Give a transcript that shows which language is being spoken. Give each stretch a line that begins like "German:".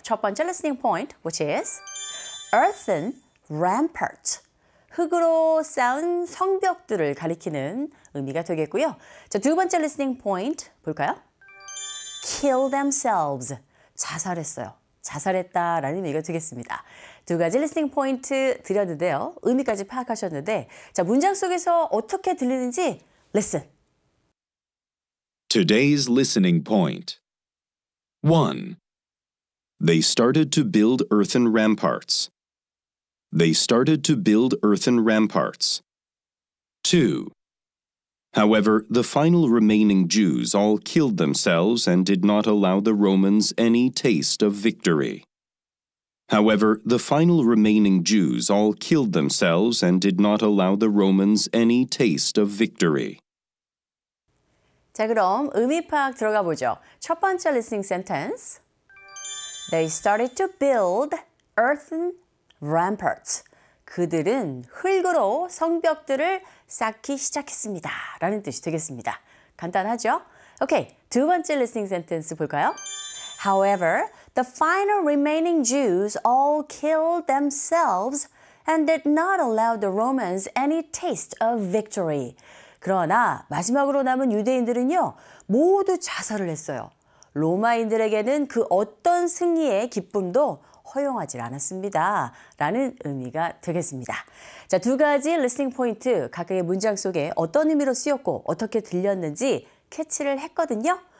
English: 첫 번째 listening point, which is earthen rampart.
Korean: 흙으로 쌓은 성벽들을 가리키는 의미가 되겠고요. 자, 두 번째 listening point 볼까요?
English: Kill themselves.
Korean: 자살했어요. 자살했다라는 의미가 되겠습니다. 두 가지 리스닝 포인트 드렸는데요. 의미까지 파악하셨는데, 자, 문장 속에서 어떻게 들리는지 listen.
English: Today's listening point. 1. They started to build earthen ramparts. They started to build earthen ramparts. 2. However, the final remaining Jews all killed themselves and did not allow the Romans any taste of victory. However, the final remaining Jews all killed themselves and did not allow the Romans any taste of victory.
Korean: 자, 그럼 의미 파악 들어가 보죠. 첫 번째
English: listening sentence. They started to build earthen ramparts.
Korean: 그들은 흙으로 성벽들을 쌓기 시작했습니다. 라는 뜻이 되겠습니다. 간단하죠? Okay, 두 번째 listening sentence 볼까요?
English: However, the final remaining Jews all killed themselves and did not allow the Romans any taste of victory.
Korean: 그러나 마지막으로 남은 유대인들은요, 모두 자살을 했어요. 로마인들에게는 그 어떤 승리의 기쁨도 허용하지 않았습니다. 라는 의미가 되겠습니다. 자, 두 가지 리스닝 포인트, 각각의 문장 속에 어떤 의미로 쓰였고 어떻게 들렸는지 캐치를 했거든요.